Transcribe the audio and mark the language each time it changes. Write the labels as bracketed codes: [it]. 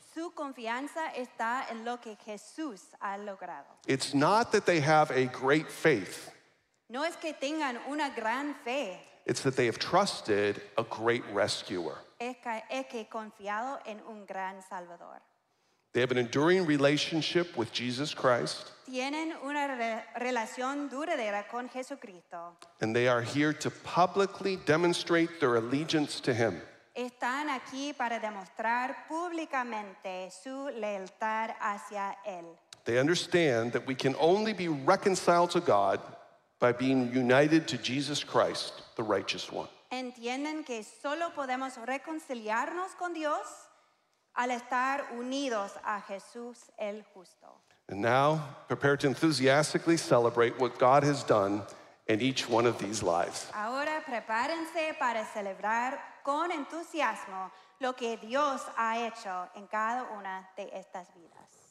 [es] Su confianza está en lo que Jesús ha logrado. [en] It's not that they have a great faith. [es] No es que tengan una gran fe. [en] It's that they have trusted a great rescuer. [es] Es que confiado en un gran salvador. [en] They have an enduring relationship with Jesus Christ. [es] Tienen una relación duradera con Jesucristo. [en] And they are here to publicly demonstrate their allegiance to Him. [es] Están aquí para demostrar públicamente su lealtad hacia Él. [en] They understand that we can only be reconciled to God by being united to Jesus Christ, the righteous one. [es] Entienden que solo podemos reconciliarnos con Dios al estar unidos a Jesús el Justo. [en] And now, prepare to enthusiastically celebrate what God has done in each one of these lives. [es] Ahora prepárense para celebrar con entusiasmo lo que Dios ha hecho en cada una de estas vidas.